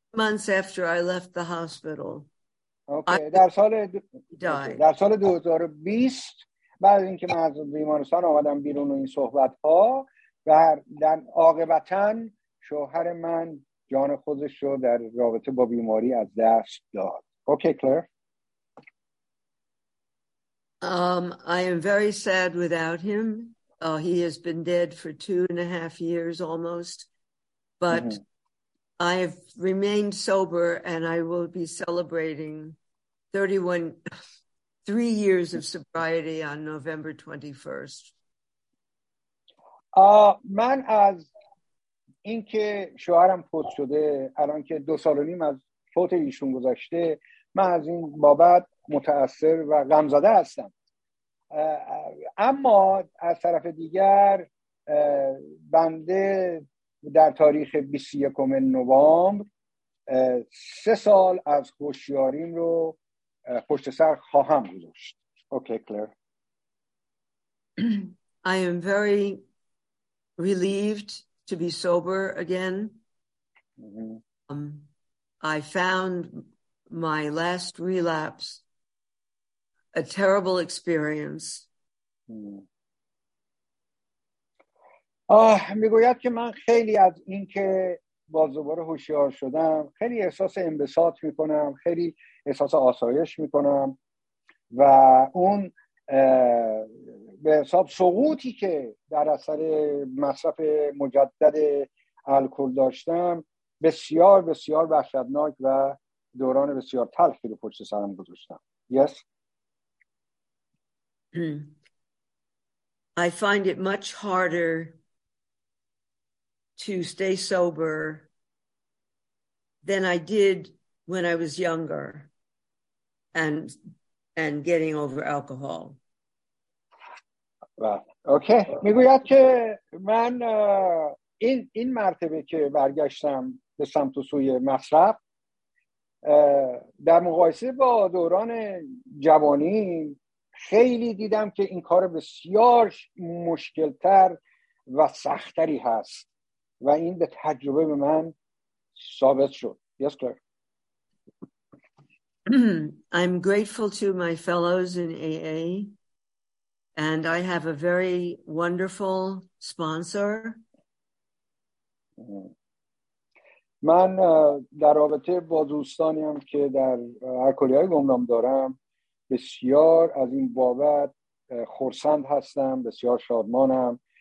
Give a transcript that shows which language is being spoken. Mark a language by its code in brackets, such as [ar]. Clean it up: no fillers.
[en] months after I left the hospital. Okay. [fa] در سال 2020 بعد اینکه من از بیمارستان آمدم بیرون و این صحبت‌ها و در عاقبتاً شوهر من جان خودش رو در رابطه با بیماری از دست داد. [en] Okay, Claire. I am very sad without him. He has been dead for 2.5 years almost, but I have remained sober and I will be celebrating 3 years of sobriety on November 21st. [fa] من از اینکه شوهرم فوت شده الان که 2.5 سال از فوت ایشون گذشته من از این بابت متاثر و غم زده هستم. اما از طرف دیگر بنده در تاریخ 21 نوامبر 3 سال از هوشیاریم رو پشت سر خواهم گذاشت. [en] Okay Claire. I am very relieved to be sober again. I found my last relapse a terrible experience. [fa] میگوید که من خیلی از این که باز دوباره هوشیار شدم خیلی احساس انبساط میکنم، خیلی احساس آسایش میکنم و اون به حساب سقوطی که در اثر مصرف مجدد الکل داشتم بسیار بسیار وحشتناک و دوران بسیار تلخی رو پشت سرم گذاشتم. [en] Yes. I find it much harder to stay sober than I did when I was younger and getting over alcohol. Okay. [fa] میگوید که من این مرتبه که برگشتم به سمت و سوی مصرف در مقایسه با دوران جوانی خیلی دیدم که این کار بسیار مشکلتر و سختری هست و این به تجربه به من ثابت شد. [en] Yes, sir. I'm grateful to my fellows in AA and I have a very wonderful sponsor. [fa] من در رابطه با دوستانیم که در الکلی‌های گمنام دارم بسیار از این بابت خرسند هستم، بسیار شادمانم.